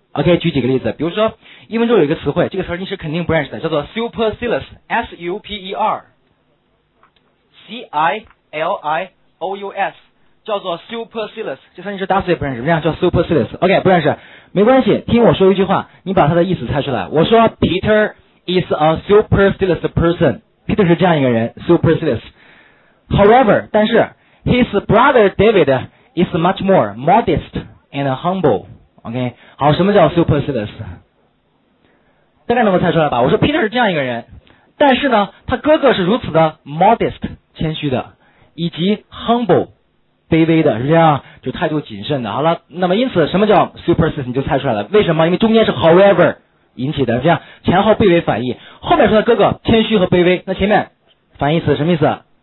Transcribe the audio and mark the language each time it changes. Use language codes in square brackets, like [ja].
[zh] OK， 举几个例子，比如说英文中有一个词汇，这个词你是肯定不认识的，叫做 supercilious， S-U-P-E-R C-I-L-I-O-U-S， 叫做 supercilious， 这词你是打死也不认识，这样叫 supercilious。 OK， 不认识没关系，听我说一句话，你把它的意思猜出来。我说 [en] Peter is a supercilious person， [zh] Peter 是这样一个人， supercilious。 [en] However， [zh] 但是 [en] his brother David is much more modest and humble。 [zh] OK， 好，什么叫 supercilious？ 大概能够猜出来吧。我说 Peter 是这样一个人，但是呢他哥哥是如此的 modest， 谦虚的，以及 humble，卑微的，是这样，就态度谨慎的。好了，那么因此什么叫 supercilious 你就猜出来了。为什么？因为中间是 however 引起的，这样前后背为反义，后面说他哥哥谦虚和卑微，那前面反义词什么意思？